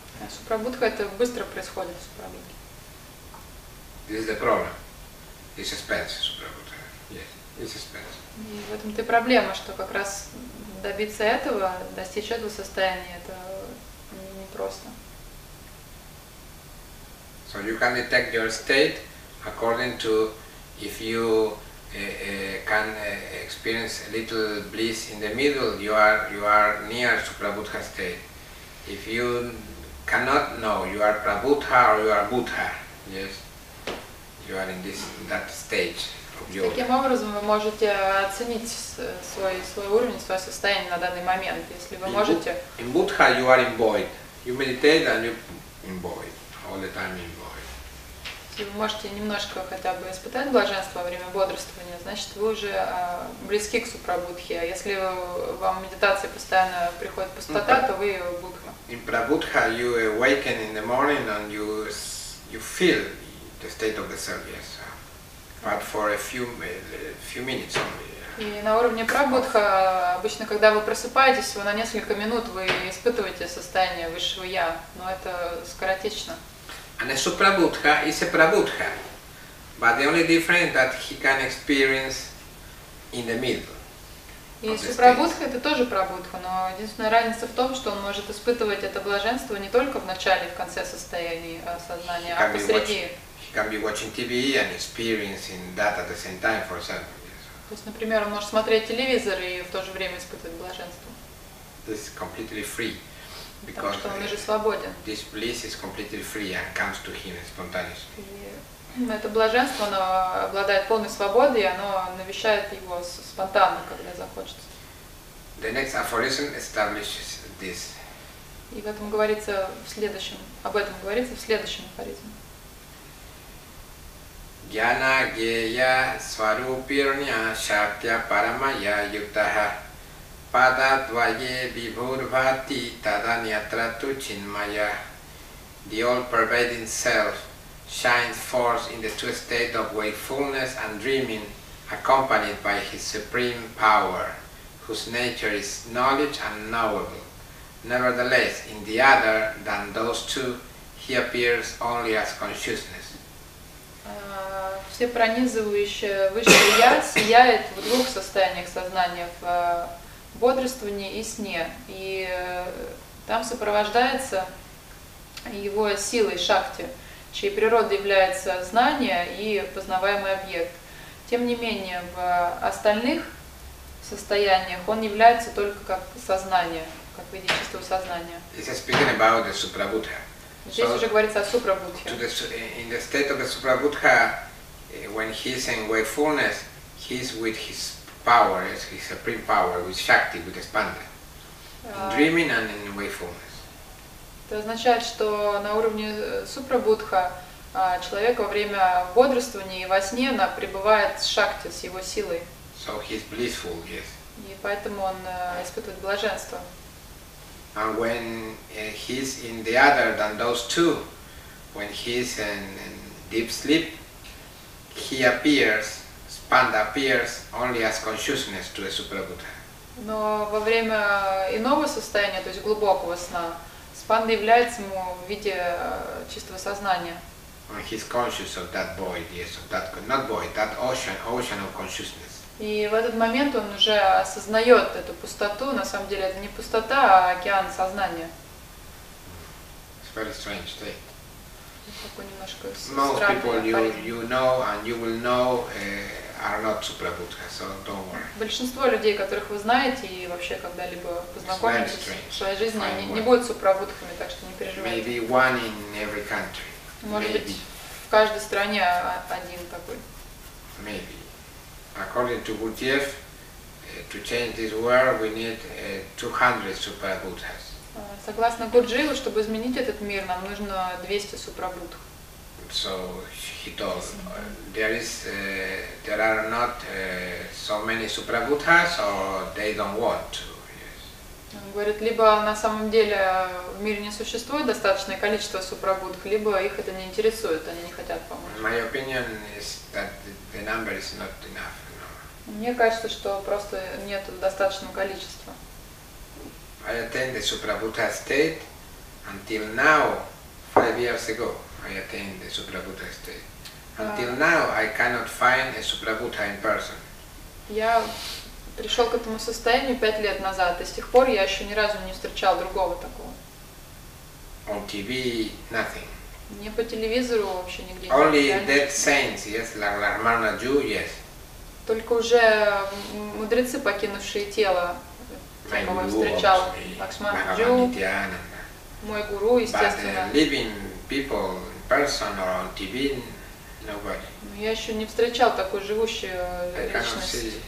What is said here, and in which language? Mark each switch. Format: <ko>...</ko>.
<ru>Супрабудха – это быстро происходит в Супрабудхе.</ru> <en>This is the problem. It's expensive, Супрабудха. Yes, it's expensive.</en> <ru>И в этом-то и проблема, что как раз добиться этого, достичь этого состояния – это непросто.</ru> <en>So you can detect your state according to if you can experience a little bliss in the middle, you are near to Prabuddha state. If you cannot know you are Prabuddha or you are Buddha, yes, you are in this that stage of yoga.</en> <ru>Таким образом вы можете оценить свой уровень, свое состояние на данный момент, если вы можете.</ru> <en>In Buddha you are in void. You meditate and you in void all the time in void.</en> <ru>Вы можете немножко хотя бы испытать блаженство во время бодрствования, значит, вы уже близки к Супрабудхе. А если вам медитация постоянно приходит пустота, то вы Будха.</ru> <en>In Prabuddha you awaken in the morning and you feel the state of the self, yes. But for a few minutes only.</en> <ru>И на уровне Прабудха обычно, когда вы просыпаетесь, вы на несколько минут вы испытываете состояние высшего я, но это скоротечно.</ru> <en>And a Suprabuddha is a Prabuddha, but the only difference that he can experience in the middle.</en> <ru>И Супрабудха – это тоже Прабудха, но единственная разница в том, что он может испытывать это блаженство не только в начале и в конце состояния сознания, а посреди.</ru> <en>He can be watching TV and experiencing that at the same time, for example.</en> <ru>То есть, например, он может смотреть телевизор и в то же время испытывать блаженство.</ru> <en>This is completely free.</en> <ru>Потому что он уже свободен.</ru> <en>This bliss is completely free and comes to him spontaneously.</en> <ru>Это блаженство, оно обладает полной свободой, и оно навещает его спонтанно, когда захочется.</ru> <en>The next aphorism establishes this.</en> <ru>И в этом говорится в следующем. Об этом говорится в следующем афоризме.</ru> <sa>Гьяна гея сварупирня шактя парамая юктаха. Пада двае вибурвати таданьятра тучинмая.</sa> <en>The all-pervading self shines forth in the two states of wakefulness and dreaming, accompanied by his supreme power, whose nature is knowledge and knowable. Nevertheless, in the other than those two, he appears only as consciousness.</en> <ru>Все пронизывающее высшее я сияет в двух состояниях сознания, в бодрствовании и сне, и там сопровождается его силой шакти, чьей природой является знание и познаваемый объект. Тем не менее, в остальных состояниях он является только как сознание, как видящество сознания.</ru> <en>He's speaking about the Suprabuddha.</en> <ru>Здесь уже говорится о Супрабудхе.</ru> <en>In the state of the Supra-Buddha, when he is in wakefulness, he is with his power, his supreme power, with Shakti, with Spanda. Dreaming and in wakefulness.</en> <ru>Это означает, что на уровне Супрабудха человек во время бодрствования и во сне он пребывает с Шакти, с его силой.</ru> <en>So he is blissful, yes.</en> <ru>И поэтому он испытывает блаженство.</ru> <en>And when he's in the other than those two, when he's in deep sleep, he appears, Spanda appears only as consciousness to the Suprabuddha. Но во время иного состояния, то есть глубокого сна, Спанда является ему в виде чистого сознания. And he's conscious of that void, yes, of that, not void, that ocean of consciousness.</en> <ru>И в этот момент он уже осознает эту пустоту. На самом деле это не пустота, а океан сознания.</ru> <en>It's a very strange state.</en> <ru>Такой немножко</ru> <en>Most</en> <ru>странный</ru> <en>people you know and you will know are not Supra-Buddha, so don't worry.</en> <ru>Большинство людей, которых вы знаете и вообще когда-либо познакомитесь в своей жизни, они не будут Супра-Буддхами, так что не переживайте.</ru> <en>Maybe one in every country.</en> <ru>Может</ru> <en>Maybe.</en> <ru>Быть, в каждой стране один такой.</ru> <en>Maybe. According to Gurdjieff, to change this world, we need 200 Supra Buddhas.</en> <ru>Согласно Гурджиеву, чтобы изменить этот мир, нам нужно 200 Супра Будх.</ru> <en>So he told, there are not so many Supra Buddhas, or they don't want to. Yes.</en> <ru>Он говорит, либо на самом деле в мире не существует достаточное количество Супра Будх, либо их это не интересует, они не хотят помочь.</ru> <en>My opinion is that the number is not enough.</en> <ru>Мне кажется, что просто нет достаточного количества.</ru> <en>I attained the Supra-Buddha state until now, 5 years ago, I attained the Supra-Buddha state. Until now, I cannot find a Supra-Buddha in person.</en> <ru>Я пришел к этому состоянию 5 лет назад, и с тех пор я еще ни разу не встречал другого такого.</ru> <en>On TV, nothing.</en> <ru>Не по телевизору вообще нигде.</ru> <en>Only dead saints, yes, like Lamarna Ju, yes.</en> <ru>Только уже мудрецы, покинувшие тело, я, по-моему, встречал Лакшмана Джу, мой гуру, естественно.</ru> <en>But living people in person or on TV, nobody.</en> <ru>Но я еще не встречал такую живущую личность.</ru>